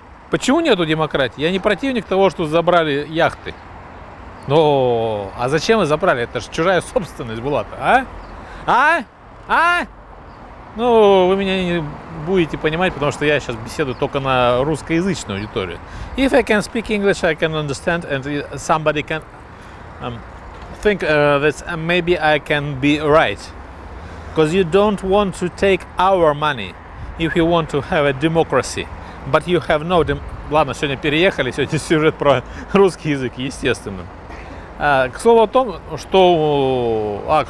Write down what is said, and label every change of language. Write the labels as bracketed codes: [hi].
[ru] Почему нету демократии? Я не противник того, что забрали яхты. Но, а зачем вы забрали? Это же чужая собственность была-то, а? А? А? Ну, вы меня не будете понимать, потому что я сейчас беседую только на русскоязычную аудиторию. [en] If I can speak English, I can understand, and somebody can think that maybe I can be right. Because you don't want to take our money, if you want to have a democracy. But you have no... [ru] Ладно, сегодня переехали, сегодня сюжет про русский язык, естественно. К слову о том, что...